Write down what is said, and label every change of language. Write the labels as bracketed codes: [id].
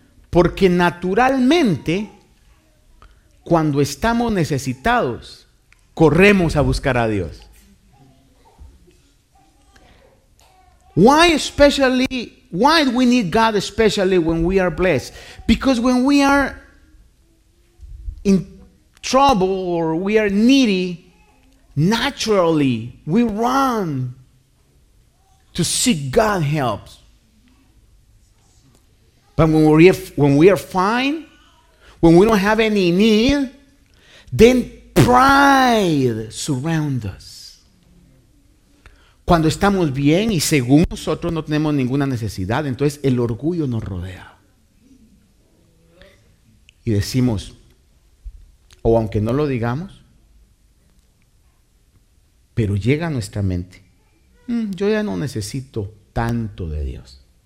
[es] Porque naturalmente, cuando estamos necesitados, corremos a buscar a Dios. [en] Why do we need God especially when we are blessed? Because when we are in trouble or we are needy, naturally we run to seek God's help. But when we are fine, when we don't have any need, then pride surrounds us. [es] Cuando estamos bien y según nosotros no tenemos ninguna necesidad, entonces el orgullo nos rodea. Y decimos, o aunque no lo digamos, pero llega a nuestra mente, yo ya no necesito tanto de Dios.